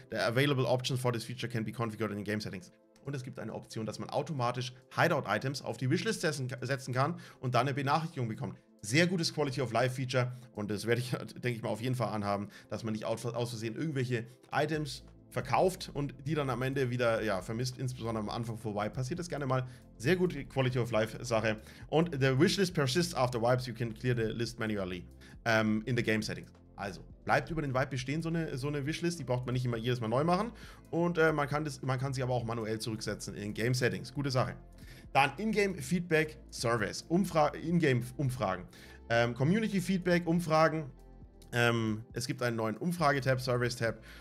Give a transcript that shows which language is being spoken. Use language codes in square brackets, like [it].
[en] The available options for this feature can be configured in the game settings. [de] Und es gibt eine Option, dass man automatisch Hideout-Items auf die Wishlist setzen kann und dann eine Benachrichtigung bekommt. Sehr gutes Quality-of-Life-Feature und das werde ich, denke ich mal, auf jeden Fall anhaben, dass man nicht aus Versehen irgendwelche Items verkauft und die dann am Ende wieder ja, vermisst, insbesondere am Anfang vorbei, passiert das gerne mal. Sehr gute Quality of Life Sache. [en] Und the Wishlist persists after wipes, you can clear the list manually in the game settings. [de] Also, bleibt über den Wipe bestehen so eine Wishlist, die braucht man nicht immer jedes Mal neu machen. Und man kann sie aber auch manuell zurücksetzen in Game Settings. Gute Sache. Dann In-Game Feedback Service, In-Game-Umfragen. Community Feedback Umfragen. Es gibt einen neuen Umfragetab, Service-Tab.